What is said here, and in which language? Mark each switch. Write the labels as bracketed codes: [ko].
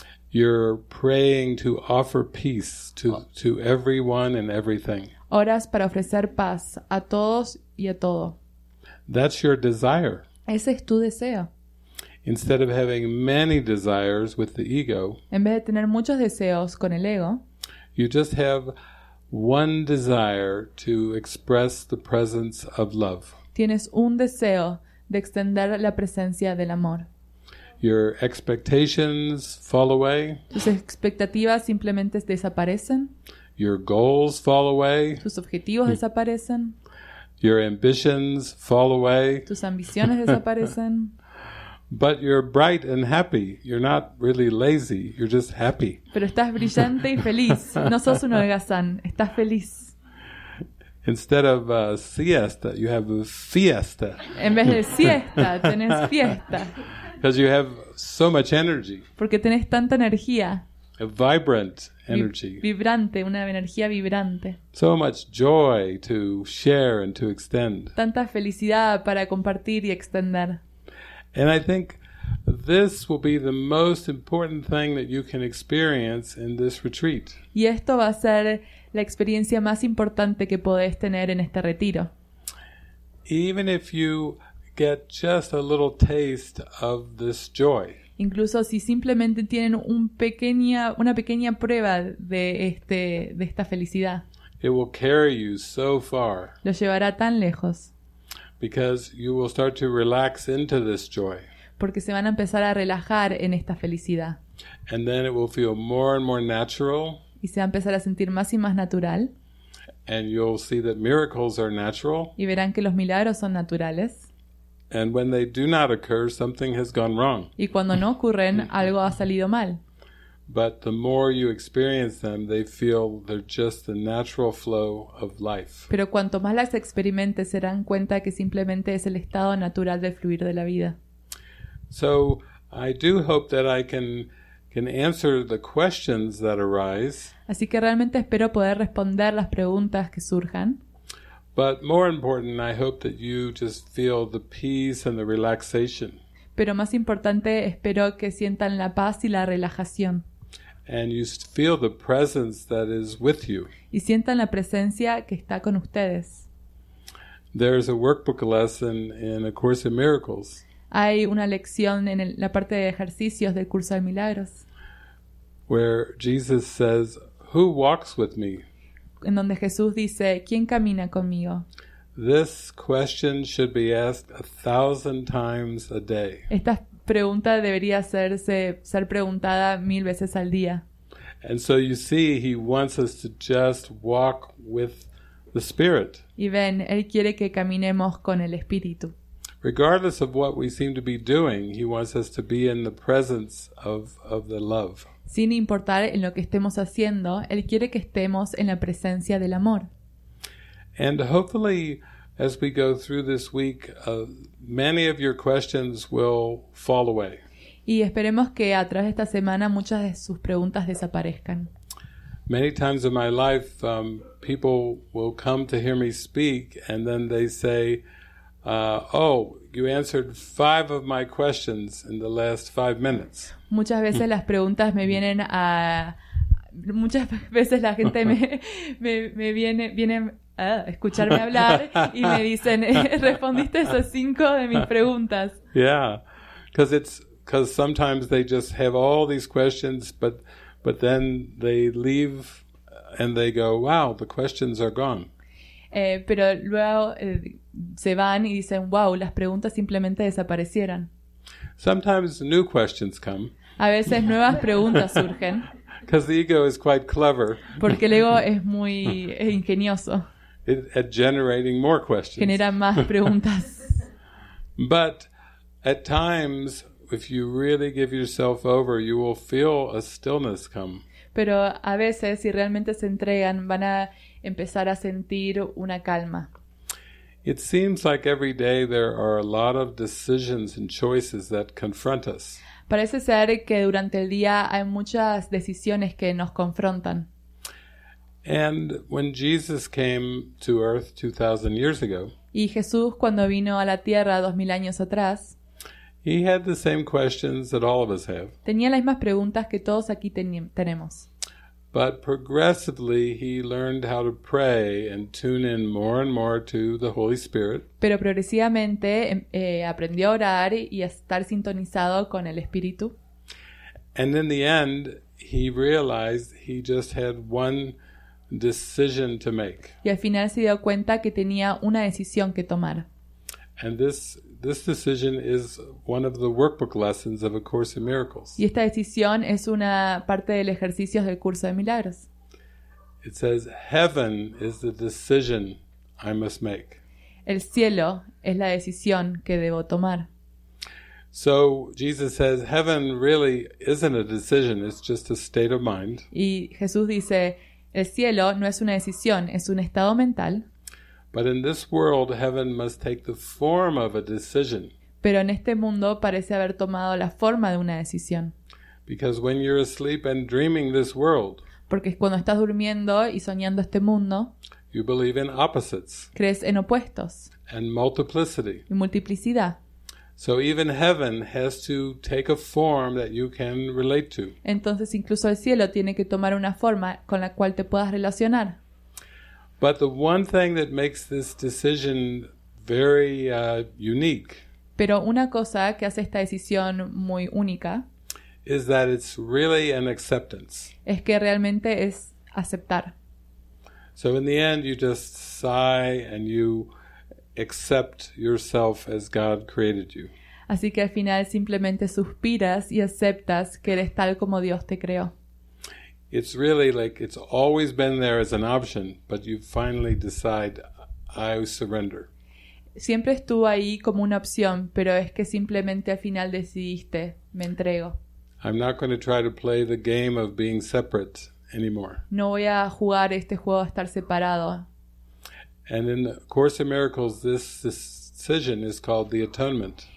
[en] You're praying to offer peace to everyone and everything. [es] Oras para ofrecer paz a todos y a todo. [en] That's your desire. [es] Ese es tu deseo. [en] Instead of having many desires with the ego, [es] en vez de tener muchos deseos con el ego, [en] you just have one desire to express the presence of love. [es] Tienes un deseo de extender la presencia del amor. [en] Your expectations fall away. [es] Tus expectativas simplemente desaparecen. [en] Your goals fall away. [es] Tus objetivos desaparecen. [en] Your ambitions fall away. [es] Tus ambiciones desaparecen. [en] But you're bright and happy. You're not really lazy. You're just happy. [es] Pero estás brillante y feliz. No sos un holgazán. Estás feliz. [en] Instead of siesta, you have a fiesta. [es] En vez de siesta, tenés fiesta. [en] Because you have so much energy. [es] Porque tenés tanta energía. [en] A vibrant energy. [es] Vibrante, una energía vibrante. [en] So much joy to share and to extend. [es] Tanta felicidad para compartir y extender. [en] And I think this will be the most important thing that you can experience in this retreat. [es] Y esto va a ser la experiencia más importante que podés tener en este retiro. [en] Even if you get just a little taste of this joy. [es] Incluso si simplemente tienen una pequeña prueba de esta felicidad. [en] It will carry you so far. [es] Lo llevará tan lejos. [en] Because you will start to relax into this joy. [es] Porque se van a empezar a relajar en esta felicidad. [en] And then it will feel more and more natural. [es] Y se va a empezar a sentir más y más natural. [en] And you'll see that miracles are natural. [es] Y verán que los milagros son naturales. [en] And when they do not occur, something has gone wrong. [es] Y cuando no ocurren, algo ha salido mal. [en] But the more you experience them, they feel they're just the natural flow of life. [es] Pero cuanto más las experimentes, se dan cuenta que simplemente es el estado natural de fluir de la vida. [en] So I do hope that I can answer the questions that arise. [es] Así que realmente espero poder responder las preguntas que surjan. [en] But more important, I hope that you just feel the peace and the relaxation. [es] Pero más importante, espero que sientan la paz y la relajación. [en] And you feel the presence that is with you. [es] Y sientan la presencia que está con ustedes. [en] There is a workbook lesson in A Course in Miracles. [es] Hay una lección en la parte de ejercicios del curso de milagros. [en] Where Jesus says, "Who walks with me?" [es] En donde Jesús dice, ¿quién camina conmigo? [en] This question should be asked 1,000 times a day. [es] Esta pregunta debería ser preguntada 1,000 veces al día. [en] And so you see, he wants us to just walk with the Spirit. [es] Y ven, él quiere que caminemos con el Espíritu. [en] Regardless of what we seem to be doing, he wants us to be in the presence of the love. [es] Sin importar en lo que estemos haciendo, él quiere que estemos en la presencia del amor. [en] And hopefully, as we go through this week, many of your questions will fall away. [es] Y esperemos que a través de esta semana muchas de sus preguntas desaparezcan. [en] Many times in my life, people will come to hear me speak, and then they say, you answered 5 of my questions in the last 5 minutes. [es] Muchas veces las preguntas me vienen a... Muchas veces la gente me viene a escucharme hablar y me dicen, respondiste esas 5 de mis preguntas. [en] Yeah, because sometimes they just have all these questions, but then they leave and they go, wow, the questions are gone. [es] Pero luego se van y dicen, wow, las preguntas simplemente desaparecieron. [en] Sometimes new questions come. [es] A veces nuevas preguntas surgen. [en] Because the ego is quite clever. [es] Porque el ego es muy ingenioso. [en] At generating more questions. [es] Genera más preguntas. [en] But at times, if you really give yourself over, you will feel a stillness come. [es] Pero a veces, si realmente se entregan, van a empezar a sentir una calma. [en] It seems like every day there are a lot of decisions and choices that confront us. [es] Parece ser que durante el día hay muchas decisiones que nos confrontan. [en] And when Jesus came to earth 2,000 years ago, [es] y Jesús cuando vino a la tierra 2,000 años atrás, [en] he had the same questions that all of us have. [es] Tenía las mismas preguntas que todos aquí tenemos. [en] But progressively he learned how to pray and tune in more and more to the Holy Spirit. [es] Pero progresivamente aprendió a orar y a estar sintonizado con el Espíritu. [en] And in the end he realized he just had one decision to make. [es] Y al final se dio cuenta que tenía una decisión que tomar. [en] And this decision is one of the workbook lessons of A Course in Miracles. [es] Y esta decisión es una parte del ejercicio del curso de milagros. [en] It says, "Heaven is the decision I must make." [es] El cielo es la decisión que debo tomar. [en] So Jesus says, "Heaven really isn't a decision; it's just a state of mind." [es] Y Jesús dice, "El cielo no es una decisión; es un estado mental." [en] But in this world, heaven must take the form of a decision. [es] Pero en este mundo parece haber tomado la forma de una decisión. [en] Because when you're asleep and dreaming this world, [es] porque cuando estás durmiendo y soñando este mundo, [en] you believe in opposites. [es] Crees en opuestos. [en] And multiplicity. [es] Y multiplicidad. [en] So even heaven has to take a form that you can relate to. [es] Entonces incluso el cielo tiene que tomar una forma con la cual te puedas relacionar. [en] But the one thing that makes this decision very unique. [es] Pero una cosa que hace esta decisión muy única [en] is that it's really an acceptance. [es] Es que realmente es aceptar. [en] So in the end you just sigh and you accept yourself as God created you. [es] Así que al final simplemente suspiras y aceptas que eres tal como Dios te creó. [en] It's really like it's always been there as an option, but you finally decide, I surrender. [es] Siempre estuvo ahí como una opción, pero es que simplemente al final decidiste, me entrego. [en] I'm not going to try to play the game of being separate anymore. [es] No voy a jugar este juego de estar separado. [en] And in the Course in Miracles, this decision is called the atonement.